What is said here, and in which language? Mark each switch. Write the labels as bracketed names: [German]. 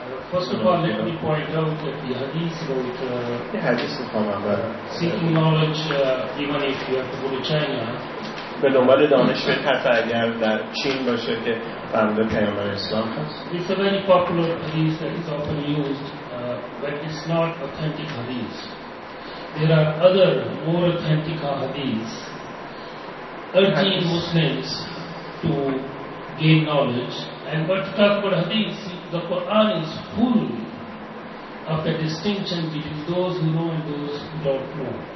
[English] First of all, let me point out that the hadith about seeking knowledge, even if you have to go to China. [Persian] به دنبال دانش به طرف اگر در چین باشه که فرمود پیامبر اسلام هست. [English] It's a very popular hadith that is often used, but it's not authentic hadith. There are other more authentic hadiths urging Muslims to gain knowledge. And what to talk about hadiths, the Quran is full of a distinction between those who know and those who don't know.